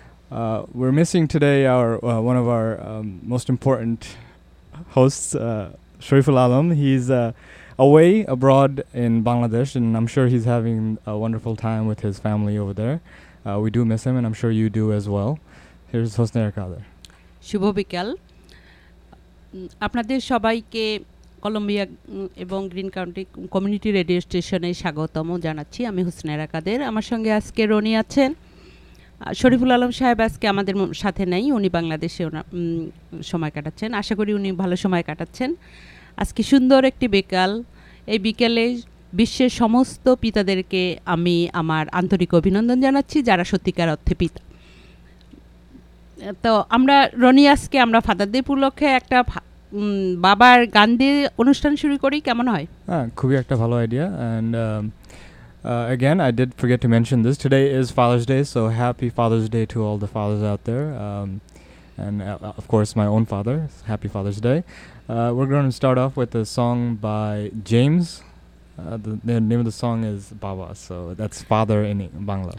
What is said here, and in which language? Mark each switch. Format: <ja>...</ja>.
<en>We're missing today one of our most important hosts, Shariful Alam. He's away abroad in Bangladesh, and I'm sure he's having a wonderful time with his family over there. We do miss him, and I'm sure you do as well. Here's Hosna Arakadar.</en> <bn>Shubho bikal. আপনাদের সবাইকে Colombia এবং green county community radio স্টেশনে স্বাগতম জানাচ্ছি। আমি হুসনাইর কাদের, আমার সঙ্গে আজকে রনি আছেন, শরীফুল আলম সাহেব আজকে আমাদের সাথে নেই, উনি বাংলাদেশে সময় কাটাচ্ছেন, আশা করি উনি ভালো সময় কাটাচ্ছেন। আজকে সুন্দর একটি বিকাল, এই বিকেলে বিশ্বের সমস্ত পিতাদেরকে আমি আমার আন্তরিক অভিনন্দন জানাচ্ছি যারা সত্যিকার অর্থে পিতা। তো আমরা রনি আজকে আমরা ফাদার ডে উপলক্ষে একটা বাবার গান দিয়ে অনুষ্ঠান শুরু করি, কেমন হয়? হ্যাঁ, খুবই একটা ভালো idea.</bn> <en>And again I did forget to mention this, today is father's day, so happy father's day to all the fathers out there, and of course my own father, happy father's day. We gonna start off with a song by James, the name of the song is Baba, so that's father in Bangla.</en>